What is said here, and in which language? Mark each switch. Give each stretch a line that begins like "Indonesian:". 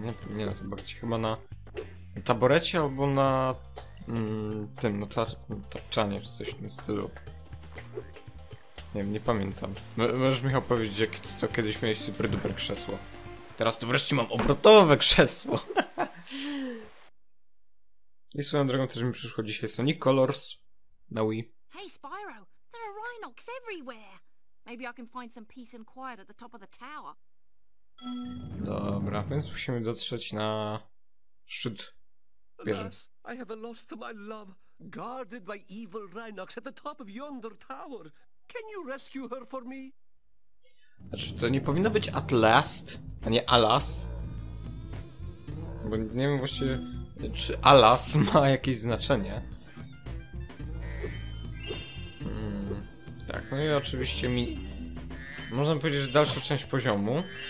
Polish: Nie na taborecie, chyba na taborecie albo na tym, na tapczanie czy coś w tym stylu. Nie pamiętam. Możesz Michał powiedzieć, jak to kiedyś miałeś super duper krzesło. Teraz to wreszcie mam obrotowe krzesło! I swoją drogą też mi przyszło dzisiaj Sonic Colors na Wii.
English: Hey Spyro, there are Rhinox everywhere! Maybe I can find some peace and quiet at the top of the tower.
Polish: Dobra, więc musimy dotrzeć na szczyt wieży.
English: Alas, I have a loss to my love, guarded by evil Rhinox at the top of yonder tower. Can you rescue her for me?
Polish: Znaczy, to nie powinno być at last, a nie alas. Bo nie wiem właściwie, czy alas ma jakieś znaczenie. Tak, no i oczywiście mi... Można powiedzieć, że dalsza część poziomu.